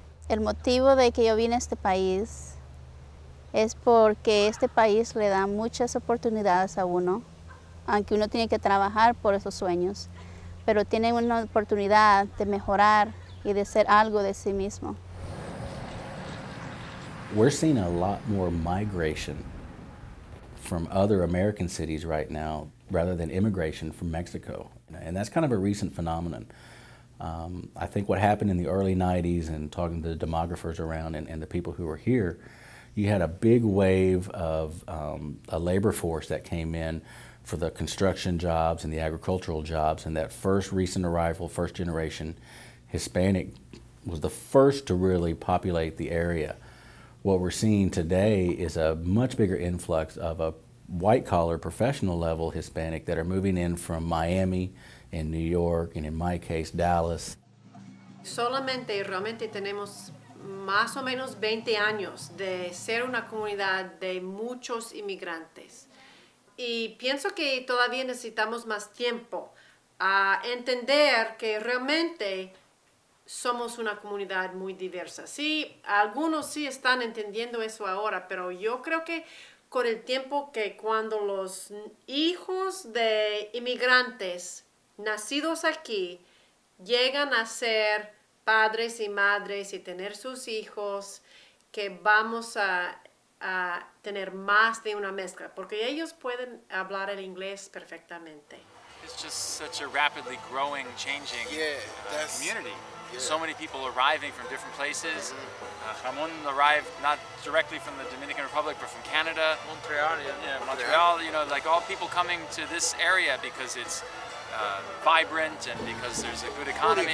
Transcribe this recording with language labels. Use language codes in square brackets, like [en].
[es] El motivo de que yo vine a este país es porque este país le da muchas oportunidades a uno, aunque uno tiene que trabajar por esos sueños, pero tiene una oportunidad de mejorar y de ser algo de sí mismo. [en] We're seeing a lot more migration from other American cities right now rather than immigration from Mexico. And that's kind of a recent phenomenon. I think what happened in the early 90s, and talking to the demographers around and the people who were here, you had a big wave of a labor force that came in for the construction jobs and the agricultural jobs, and that first recent arrival, first generation Hispanic, was the first to really populate the area. What we're seeing today is a much bigger influx of a white-collar, professional-level Hispanic that are moving in from Miami, in New York, and in my case, Dallas. [es] Solamente realmente tenemos más o menos 20 años de ser una comunidad de muchos inmigrantes. Y pienso que todavía necesitamos más tiempo a entender que realmente somos una comunidad muy diversa. Sí, algunos sí están entendiendo eso ahora, pero yo creo que con el tiempo que cuando los hijos de inmigrantes nacidos aquí llegan a ser padres y madres y tener sus hijos, que vamos a tener más de una mezcla, porque ellos pueden hablar el inglés perfectamente. [en] It's just such a rapidly growing, changing community. Yeah. So many people arriving from different places. Mm-hmm. Ramon arrived not directly from the Dominican Republic, but from Canada. Montreal, yeah. Yeah, Montreal, you know, like all people coming to this area because it's vibrant and because there's a good economy.